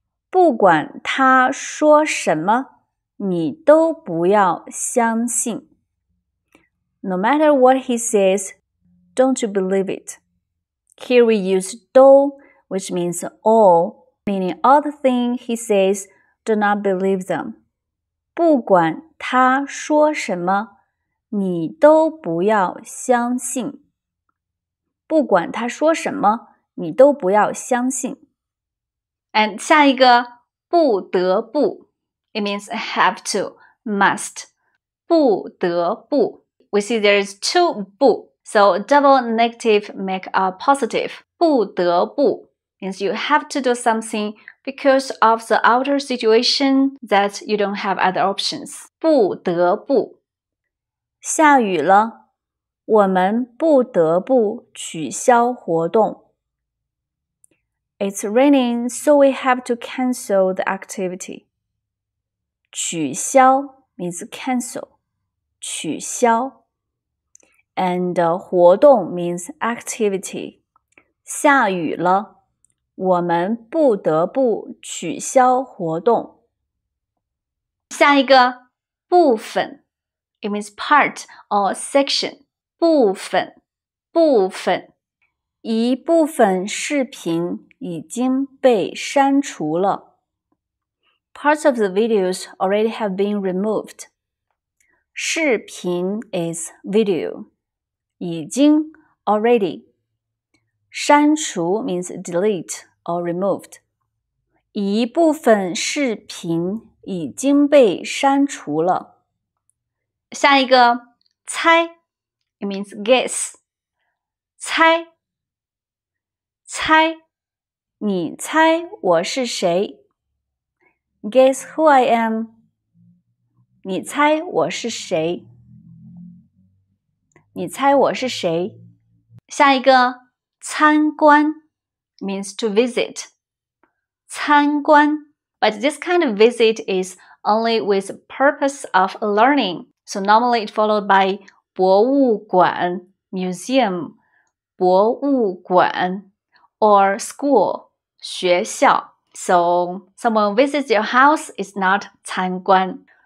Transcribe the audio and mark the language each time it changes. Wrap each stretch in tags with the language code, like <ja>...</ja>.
<zh>不管他说什么你都不要相信。</zh> <en>No matter what he says, don't you believe it. Here we use 都, which means all, meaning all the thing he says, do not believe them.</en> <zh>不管他说什么你都不要相信。不管他说什么你都不要相信。</zh> <en>And</en> <zh>下一个不得不。</zh> <en>It means have to, must. 不得不。We see there's two 不。 So double negative make a positive. 不得不 means you have to do something because of the outer situation that you don't have other options.</en> <zh>不得不。下雨了，我们不得不取消活动。</zh> <en>It's raining, so we have to cancel the activity. 取消 means cancel. 取消。 And 活动 means activity.</en> <zh>下雨了，我们不得不取消活动。下一个部分</zh> <en>，it means part or section.</en> <zh>部分，部分，一部分视频已经被删除了。</zh> <en>Parts of the videos already have been removed. 视频 is video. 已经 already. 删除 means delete or removed.</en> <zh>一部分视频已经被删除了。下一个猜</zh> <en>it means guess.</en> <zh>猜猜你猜我是谁</zh> <en>Guess who I am.</en> <zh>你猜我是谁你猜我是谁？下一个参观</zh> <en>means to visit. 参观 but this kind of visit is only with purpose of learning. So normally it followed by 博物馆 museum, 博物馆 or school, 学校 So someone visits your house is not 参观。</en>